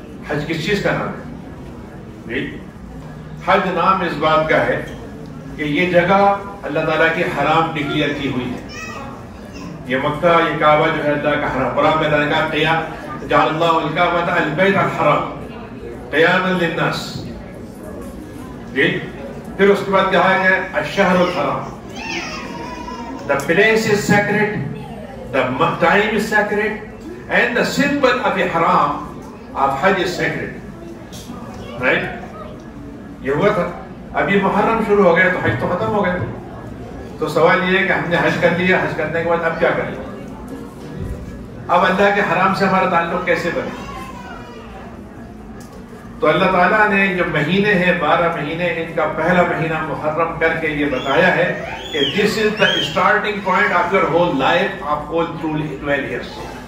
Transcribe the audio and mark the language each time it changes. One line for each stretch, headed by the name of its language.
Urdu: حج کس چیز کا نام ہے؟ حج نام اس بات کا ہے کہ یہ جگہ اللہ تعالیٰ کی حرام ڈکلیئر کی ہوئی ہے. یہ مکہ یہ کعبہ جو ہے اللہ کا حرام قرآن میں اللہ کا قیام
Arabic: جعل اللہ الکعبۃ البیت الحرام قیاما للناس.
Urdu: پھر اس کے بعد کہا گیا
Arabic: الشہر الحرام
English: The place is sacred the time is sacred and the symbol of ihram of hajj is sacred. Right?
Urdu: یہ ہوا تھا. ابھی محرم شروع ہو گیا تو حج تو ختم ہو گیا. تو سوال یہ ہے کہ ہم نے حج کر لیا, حج کرنے کے بعد اب کیا کر لیا؟ اب اللہ کے حرام سے ہمارا تعلق کیسے بنے؟ تو اللہ تعالیٰ نے جو مہینے ہیں 12 مہینے ان کا پہلا مہینہ محرم کر کے یہ بتایا ہے کہ
English: This is the starting point of your whole life of whole through 12 years.